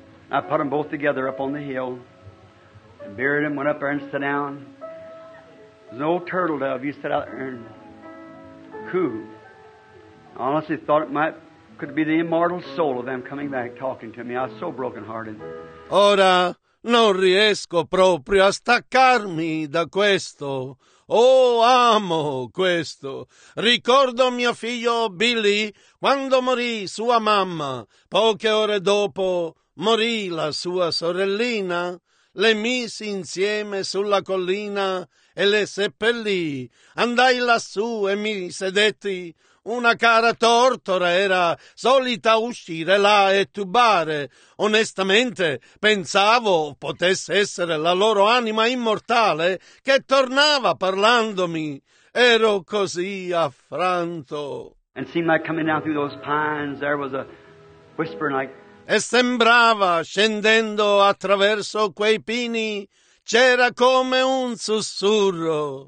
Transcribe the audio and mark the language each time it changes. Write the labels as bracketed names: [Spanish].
[English] I put them both together up on the hill and buried them, went up there and sat down. There's an old turtle dove. You sat out there and coo. I honestly thought it might could be the immortal soul of them coming back talking to me. I was so brokenhearted. [Italian] Ora non riesco proprio a staccarmi da questo. Oh, amo questo. Ricordo mio figlio Billy quando morì sua mamma. Poche ore dopo morì la sua sorellina, le misi insieme sulla collina e le seppellì. Andai lassù e mi sedetti. Una cara tortora era solita uscire là e tubare. Onestamente pensavo potesse essere la loro anima immortale che tornava parlandomi. Ero così affranto. [English] And seemed like coming down through those pines, there was a whisper like. [Italian] E sembrava scendendo attraverso quei pini, c'era come un sussurro.